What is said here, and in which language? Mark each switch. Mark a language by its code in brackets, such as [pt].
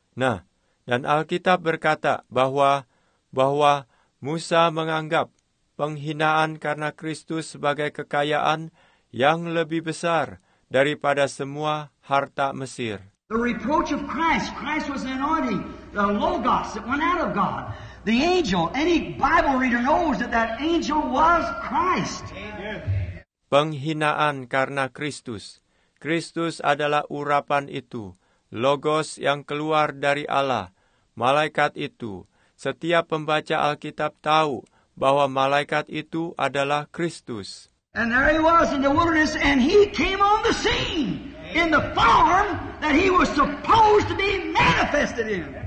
[id] Nah, dan Alkitab berkata bahwa Musa menganggap penghinaan karena Kristus sebagai kekayaan yang lebih besar daripada semua harta Mesir. [en] The reproach of Christ. Christ was anointing the Logos that went out of God. The angel. Any Bible reader knows that angel was Christ. [id] Penghinaan karena Kristus. Kristus adalah urapan itu, Logos yang keluar dari Allah, malaikat itu. Setiap pembaca Alkitab tahu bahwa malaikat itu adalah Kristus. [en] And there he was in the wilderness, and he came on the scene in the form that he was supposed to be manifested in.